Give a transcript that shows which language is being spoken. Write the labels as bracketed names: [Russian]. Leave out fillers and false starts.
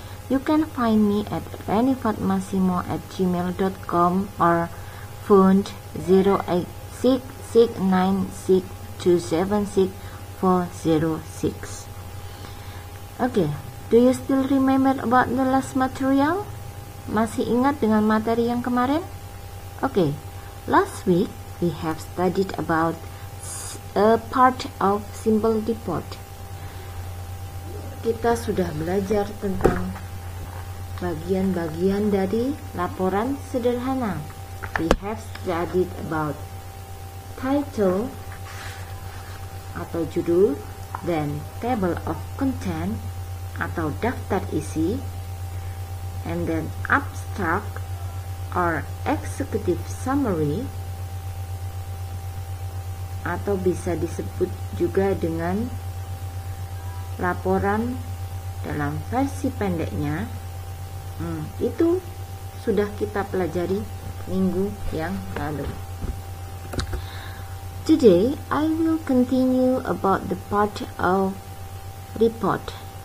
[English] You can find me at renifatmasimo@gmail.com or phone 0866962764046. Okay, do you still remember about the last material? [Indonesian] Masih ingat dengan materi yang kemarin? [English] Okay, last week we have studied about a part of simple default. [Indonesian] Kita sudah belajar tentang bagian-bagian dari laporan sederhana. [English] We have studied about title [Indonesian] atau judul, [English] then table of content [Indonesian] atau daftar isi, [English] and then abstract or executive summary [Indonesian] atau bisa disebut juga dengan laporan dalam versi pendeknya. Itu sudah kita pelajari minggu yang lalu. [English] Today I will continue about the part of report.